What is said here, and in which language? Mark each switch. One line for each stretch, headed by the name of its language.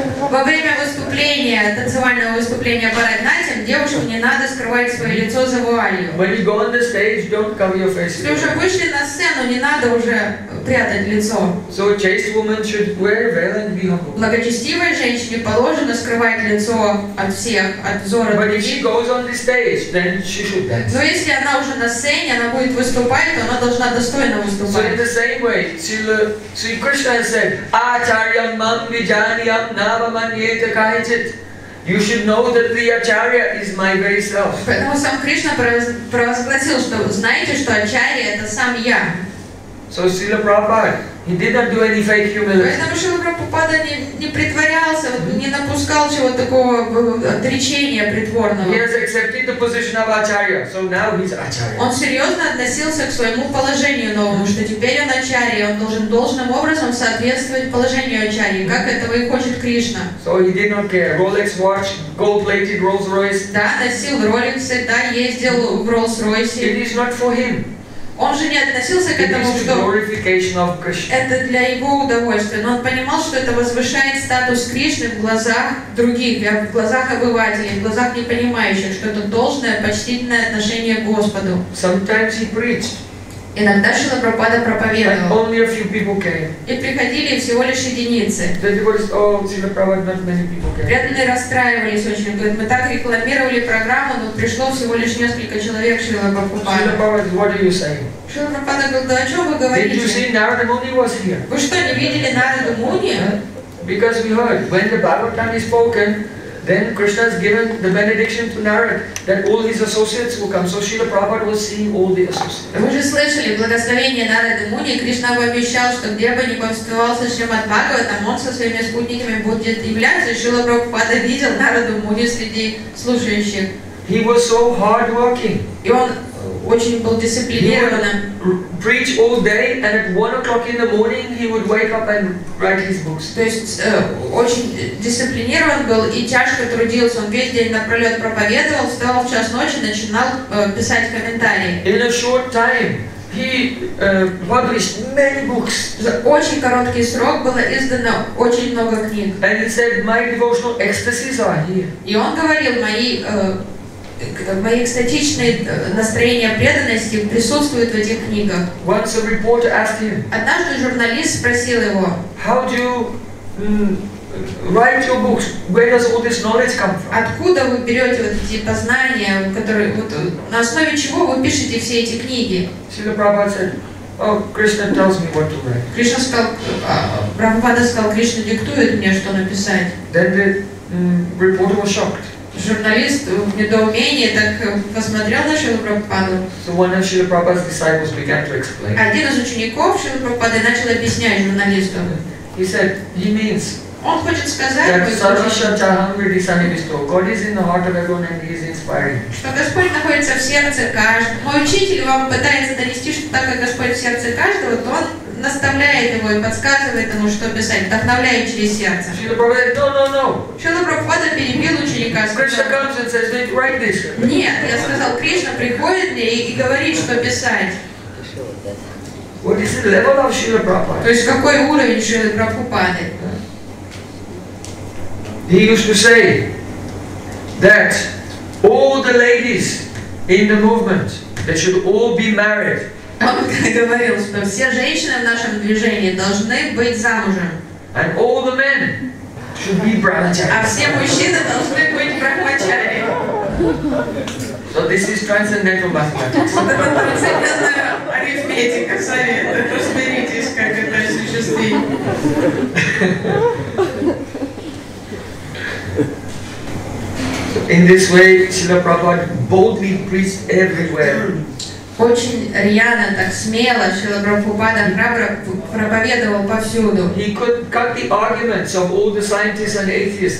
Russian: Во время выступления, танцевального выступления Bharatanatyam, девушкам не надо скрывать свое лицо за вуалью.
English: When you go on the stage, don't cover your face.
Russian: Вы уже вышли на сцену, не надо уже прятать лицо.
English: So a chaste woman should wear a veil and be humble.
Russian: Благочестивой женщине положено скрывать лицо от всех, от взора.
English: But if she goes on the stage, then she should dance.
Russian: Но если она уже на сцене, она будет выступать, то она должна достойно выступать.
English: So in the same way, Sri Krishna said,
Sanskrit: Acharyam mam vijaniyam navamanyeta kahichit.
English: You should know that the Acharya is my very self.
Russian: Поэтому сам Кришна провозгласил, что знаете, что Ачарья это сам я.
English: So Srila Prabhupada, he did not do any fake humility.
Russian: Поэтому Шрила Прабхупада не притворялся, не напускал чего-то такого отречения притворного.
English: He has accepted the position of Acharya, so now he's Acharya.
Russian: Он серьезно относился к своему положению новому, что теперь он Ачарья, он должен должным образом соответствовать положению Ачарьи, как этого и хочет Кришна.
English: So he did not care. Rolex watch, gold-plated Rolls-Royce.
Russian: Да, носил Rolex'ы, да, ездил в Rolls-Royce.
English: It is not for him.
Russian: Он же не относился к этому, что это для его удовольствия. Но он понимал, что это возвышает статус Кришны в глазах других, в глазах обывателей, в глазах непонимающих, что это должное, почтительное отношение к Господу.
English: Sometimes he preached.
Russian: Иногда Шрила Прабхупада проповедовал.
English: But only a few people came.
Russian: И приходили всего лишь единицы.
English: The devotees, oh, Shrila Prabhupada, not many people came.
Russian: Преданные расстраивались очень. Говорят, мы так рекламировали программу, но пришло всего лишь несколько человек Шрила Прабхупада.
English: Shrila Prabhupada, what are you saying?
Russian: Шрила Прабхупада говорит, да о чем вы говорите?
English: Did you see Narada Muni was here?
Russian: Вы что, не видели Нараду Муни?
English: Because we heard, when the Bhagavatam is spoken, then Krishna has given the benediction to Narada that all his associates will come. So Srila Prabhupada was seeing all the associates.
Russian: Вы же слышали благословение Нарады Муни, Кришна пообещал, что где бы ни повествовался Шримад Бхагаватам, он со своими спутниками будет являться. Шрила Прабхупада видел Нараду Муни среди слушающих.
English: He was so hardworking.
Russian: И он очень был дисциплинированным.
English: Preach all day, and at 1 o'clock in the morning, he would wake up and write his books.
Russian: То есть очень дисциплинирован был и тяжко трудился. Он весь день напролет проповедовал, встал в час ночи, начинал писать комментарии.
English: In a short time, he published many books.
Russian: За очень короткий срок было издано очень много книг.
English: And he said, "My devotional ecstasies are here."
Russian: И он говорил, мои экстатичные настроения преданности присутствуют в этих книгах.
English: Once a reporter asked him,
Russian: однажды журналист спросил его,
English: how do you write your books? Where does all this knowledge come from?
Russian: Откуда вы берете вот эти познания, которые вот, на основе чего вы пишете все эти книги?
English: Srila Prabhupada said, oh, Krishna tells me what to write.
Russian: Кришна сказал, Прабхупада сказал, Кришна диктует мне, что написать.
English: Then the reporter was shocked.
Russian: Журналист в недоумении так посмотрел на Шрилу Прабхупаду.
English: So one of Srila Prabhupada's disciples began to explain.
Russian: Один из учеников Шрилы Прабхупады начал объяснять журналисту.
English: He said, he means,
Russian: он хочет сказать,
English: that Sarvashantahamridisanivisto, God is in the heart of everyone and he is inspiring.
Russian: Что Господь находится в сердце каждого. Мой учитель вам пытается донести, что так как Господь в сердце каждого, то он наставляет его и подсказывает ему, что писать, вдохновляет через сердце. Шрила Прабхупада говорит,
English: no.
Russian: Шрила Прабхупада перебил ученика.
English: Кришна comes and says, don't write this.
Russian: Нет, я сказал, Кришна приходит мне и говорит, что писать.
English: What is the level of Шрила Прабхупада?
Russian: То есть какой уровень Шрилы Прабхупады?
English: He used to say that all the ladies in the movement, they should all be married.
Russian: Он говорил, что все женщины в нашем движении должны быть замужем.
English: And all the men should be brahmachari.
Russian: А все мужчины должны быть брахмачари.
English: So this is transcendental mathematics.
Russian: Это трансцендентная арифметика, советы. Посмотритесь, как это осуществить.
English: In this way, Srila Prabhupada boldly preached everywhere.
Russian: Очень рьяно, так смело Шрила Прабхупада храбро проповедовал повсюду.
English: He could cut the arguments of all the scientists and atheists.